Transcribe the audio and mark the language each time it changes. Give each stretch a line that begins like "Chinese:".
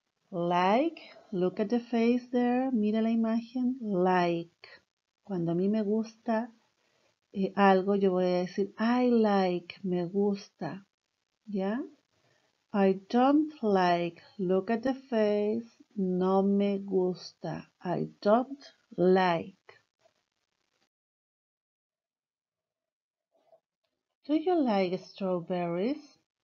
English: Like, look at the face there,
Spanish: mira la imagen,
English: like.
Spanish: Cuando a mí me gusta algo, yo voy a decir,
English: I like,
Spanish: me gusta. ¿Ya?
English: I don't like, look at the face,
Spanish: no me gusta.
English: I don't like. Do you like strawberries?